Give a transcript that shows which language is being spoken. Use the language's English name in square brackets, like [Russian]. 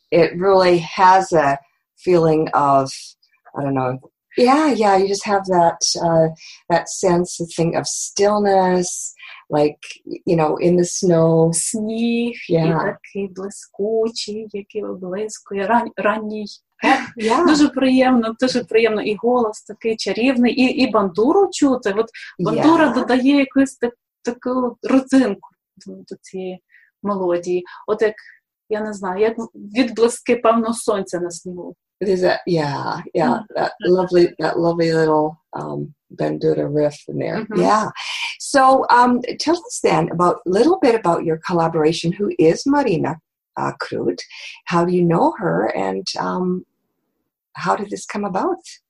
[English] It really has a feeling of, I don't know, yeah, you just have that that sense of thing of stillness, like, you know, in the snow. [Ukrainian] Сніг, такий блискучий, який блискує, ранній. Дуже приємно, і голос такий чарівний, і бандуру чути. От бандура додає якусь таку родзинку до цієї мелодії. От як, я не знаю, як відблиски певно сонця на снігу. [English] There's that lovely little bandura riff in there. Mm-hmm. Yeah. So tell us then about a little bit about your collaboration. Who is Marina Krut? How do you know her, and how did this come about?